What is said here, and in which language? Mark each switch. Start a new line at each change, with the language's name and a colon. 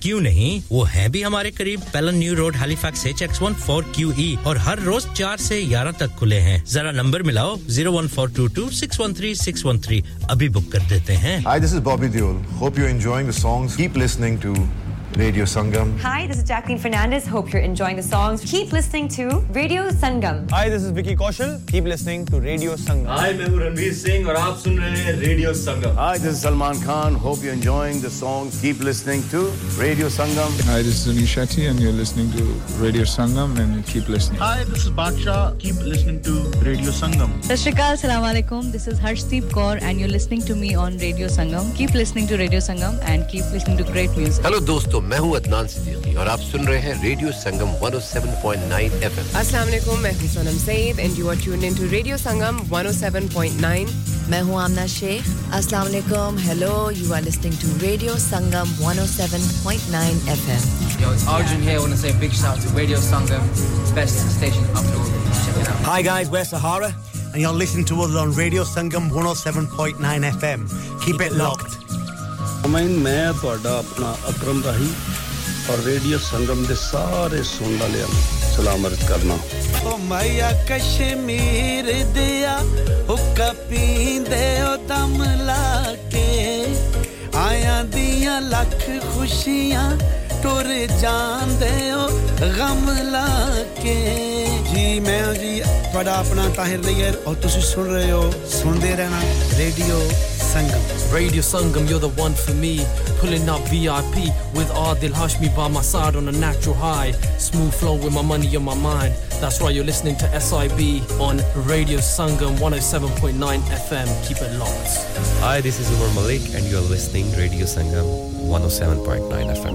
Hindi: क्यों नहीं वो है भी हमारे करीब पेलन न्यू रोड हैलिफैक्स HX14QE और हर रोज 4 से 11 तक खुले हैं जरा नंबर मिलाओ 01422613613 अभी बुक कर देते हैं
English: Hi this is Bobby Deol hope you are enjoying the songs keep listening to Radio Sangam. Hi, this is Jacqueline Fernandez. Hope you're enjoying the songs. Keep listening to Radio Sangam. Hi, this is Vicky Kaushal. Keep listening to Radio Sangam. Hi, I'm Ranveer Singh, and you're listening to Radio Sangam. Hi, this is Salman Khan. Hope you're enjoying the songs. Keep listening to Radio Sangam. Hi, this is Anish Shetty, and you're listening to Radio Sangam, and keep listening. Hi, this is Baksha. Keep listening to Radio Sangam. Sashrikal, Assalamu Alaikum. This is Harshdeep Kaur, and you're listening to me on Radio Sangam. Keep listening to Radio Sangam, and keep listening to great music.
Hindi: Hello, dosto. तो मैं हूं अदनान सिद्दीकी और आप सुन रहे हैं radio संगम 107.9 FM
English: अस्सलाम वालेकुम
Hindi: मैं हूं
English: Sonam Saeed and you are tuned in to radio Sangam 107.9
Hindi: मैं हूं
English: आमना शेख अस्सलाम वालेकुम hello you are listening to radio Sangam 107.9 FM yo it's Arjun here want to say big shout to radio Sangam best station up to check it out hi guys where Sahara and you are listening to us on radio Sangam 107.9 FM keep it locked
Punjabi: ਮੈਂ ਤੁਹਾਡਾ ਆਪਣਾ ਅਕਰਮ ਰਾਹੀ ਔਰ radio ਸੰਗਮ ਦੇ ਸਾਰੇ ਸੁਣਨ ਵਾਲਿਆਂ ਨੂੰ ਸਲਾਮ ਅਰਜ਼ ਕਰਨਾ ਓ ਮਈਆ ਕਸ਼ਮੀਰ ਦਿਆ ਹੁੱਕਾ ਪੀਂਦੇ ਓ ਦਮ ਲਾ ਕੇ ਆਇਆਂ ਦੀਆਂ ਲੱਖ ਖੁਸ਼ੀਆਂ ਟੁਰ ਜਾਂਦੇ ਓ ਗਮ ਲਾ ਕੇ ਜੀ ਮੈਂ ਜੀ ਤੁਹਾਡਾ ਆਪਣਾ ਤਾਹਿਰ ਲਈਅਰ ਔਰ ਤੁਸੀਂ ਸੁਣ ਰਹੇ ਹੋ ਸੁਣਦੇ ਰਹਿਣਾ radio
English: Radio Sangam, you're the one for me. Pulling up VIP with Adil Hashmi by my side on a natural high. Smooth flow with my money on my mind. That's right, you're listening to SIB on Radio Sangam 107.9 FM. Keep it locked. Hi, this is Umar Malik and you're listening to Radio Sangam 107.9 FM.